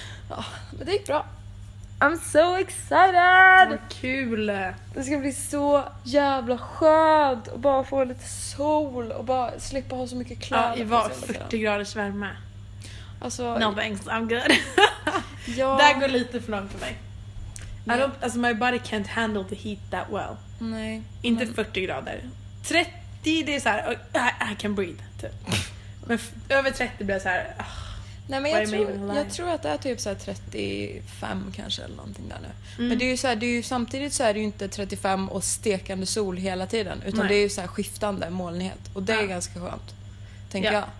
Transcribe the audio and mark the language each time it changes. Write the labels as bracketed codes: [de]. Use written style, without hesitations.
[sv] Ja, men det gick bra. [en] I'm so excited. [sv] Vad kul. Det ska bli så jävla skönt. Och bara få lite sol. Och bara slippa ha så mycket kläder. Ja, i var 40 graders värme. Alltså, [en] no thanks, I'm good. [sv] Ja. Det går lite för långt för mig. [en] Yeah. [sv] Alltså [en] my body can't handle the heat that well. [sv] Nej. Inte men... 40 grader. 30, det är så här, [en] I can breathe [sv] typ. Men över 30 blir så här. Nej, men jag tror att det är typ så här 35 kanske eller någonting där nu. Men det är ju så här, det är ju samtidigt så här, det är det ju inte 35 och stekande sol hela tiden, utan Nej. Det är ju så här skiftande molnighet, och det är ganska skönt tänker jag.